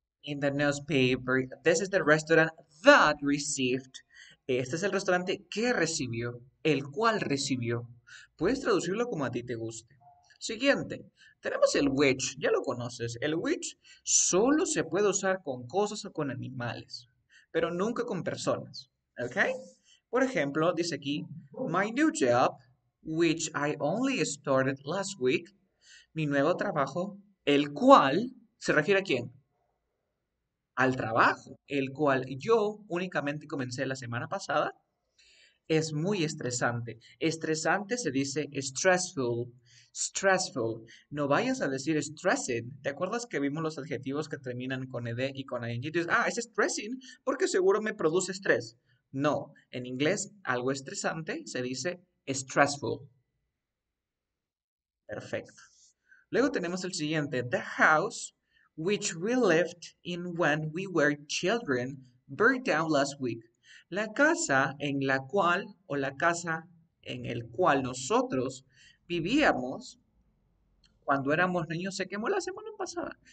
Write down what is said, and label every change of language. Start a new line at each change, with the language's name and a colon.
English: In the newspaper, this is the restaurant that received.
Spanish: Este es el restaurante que recibió, el cual recibió. Puedes traducirlo como a ti te guste. Siguiente, tenemos el which, ya lo conoces. El which solo se puede usar con cosas o con animales, pero nunca con personas. ¿Ok? Por ejemplo, dice aquí, my new job, which I only started last week, mi nuevo trabajo, el cual, ¿se refiere a quién? Al trabajo, el cual yo únicamente comencé la semana pasada, es muy estresante. Estresante se dice stressful, stressful. No vayas a decir stressing. ¿Te acuerdas que vimos los adjetivos que terminan con ed y con ing? Dices, ah, es stressing porque seguro me produce estrés. No, en inglés algo estresante se dice stressful. Perfecto.
English: Luego tenemos el siguiente, the house which we lived in when we were children, burned down last week.
Spanish: La casa en la cual, o la casa en el cual nosotros vivíamos cuando éramos niños, se quemó la semana pasada.